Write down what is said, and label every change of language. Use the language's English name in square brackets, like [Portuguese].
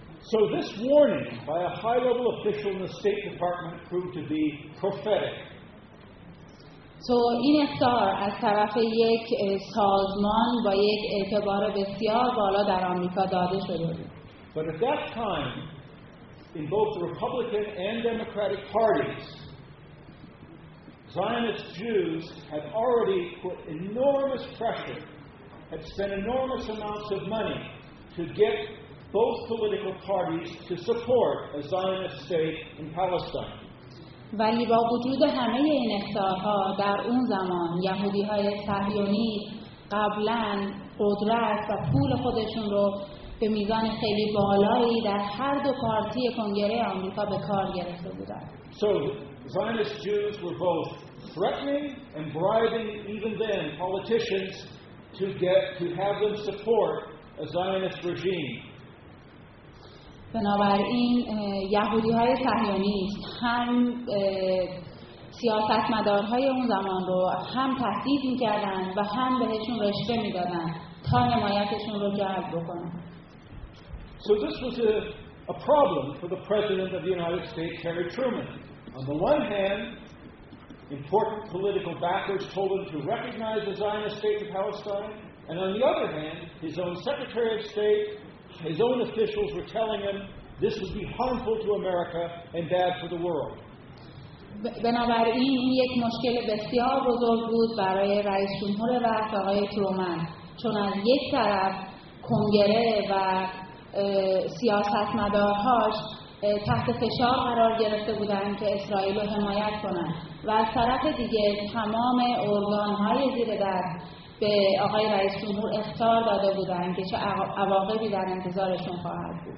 [English] So this warning by a high level official in the State Department proved to be prophetic. [Persian] So این اخطار از طرف یک سازمان با یک اعتبار بسیار بالا در آمریکا داده شده بود. [English] But at that time, in both the Republican and Democratic parties, Zionist Jews had already put enormous pressure, had spent enormous amounts of money to get both political parties to support a Zionist state in Palestine. [Persian] ولی با وجود همه این اخطارها در اون زمان یهودی‌های صهیونی قبلاً قدرت و پول خودشون رو به میزان خیلی بالایی در هر دو پارتی کنگره آمریکا به کار گرفته بودند. [English] So Zionist Jews were both threatening and bribing even then politicians to get to have them support a Zionist regime. [Persian] بنابراین یهودی‌های صهیونیست هم سیاستمدارهای اون زمان رو هم تهدید می‌کردن و هم بهشون رشوه می‌دادن تا حمایتشون رو جلب بکنن. [English] So this was a problem for the president of the United States, Harry Truman. On the one hand, important political backers told him to recognize the Zionist state of Palestine, and on the other hand, his own secretary of state, his own officials were telling him this would be harmful to America and bad for the world. [Persian] بنابراین این یک مشکل بسیار بزرگ بود برای رئیس جمهور وقت آقای ترومن، چون از یک طرف کنگره و سیاستمدارهاش تحت فشار قرار گرفته بودند که اسرائیل رو حمایت کنند و از طرف دیگه تمام ارگان‌های زیر دست به آقای رئیس جمهور اخطار داده بودند که چه عواقبی در انتظارشون خواهد بود.